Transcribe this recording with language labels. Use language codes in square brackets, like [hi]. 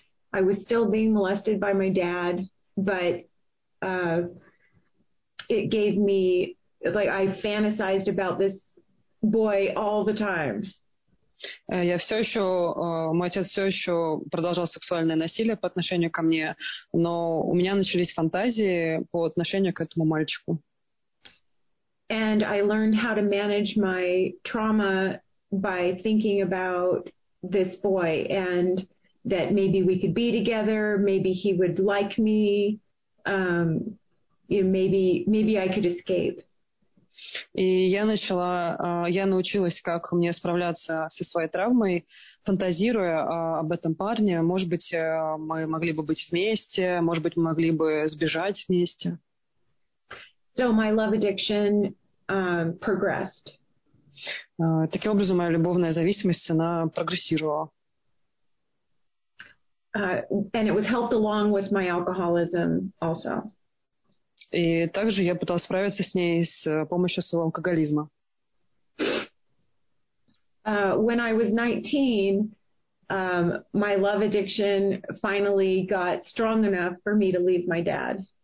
[en] I was still being molested by my dad, but it gave me, like, I fantasized about this boy all the time. [ru] Я все еще, мой отец все еще продолжал сексуальное насилие по отношению ко мне, но у меня начались фантазии по отношению к этому мальчику. [en] And I learned how to manage my trauma by thinking about this boy and that maybe we could be together, maybe he would like me, maybe I could escape. [ru] И я научилась, как мне справляться со своей травмой, фантазируя об этом парне. Может быть, мы могли бы быть вместе, может быть, мы могли бы сбежать вместе. [en] So my love addiction progressed. [ru] Таким образом, моя любовная зависимость, она прогрессировала. [en] And it was helped along with my alcoholism also. [ru] И также я пыталась справиться с ней с помощью своего алкоголизма. [en] When I was 19, my love addiction finally got strong enough for me to leave my dad.